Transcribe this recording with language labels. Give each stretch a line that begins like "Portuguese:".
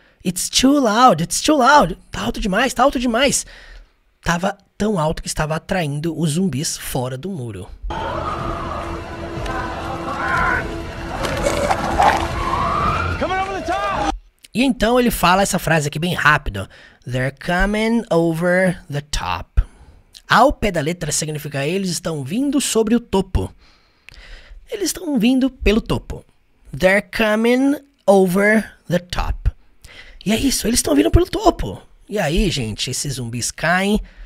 English: It's too loud, it's too loud.
Portuguese: Tá alto demais, tá alto demais. Tava tão alto que estava atraindo os zumbis fora do muro.
English: Coming over the top.
Portuguese: E então ele fala essa frase aqui bem rápido.
English: They're coming over the top.
Portuguese: Ao pé da letra significa eles estão vindo sobre o topo. Eles estão vindo pelo topo.
English: They're coming over the top.
Portuguese: E é isso, eles estão vindo pelo topo. E aí, gente, esses zumbis caem.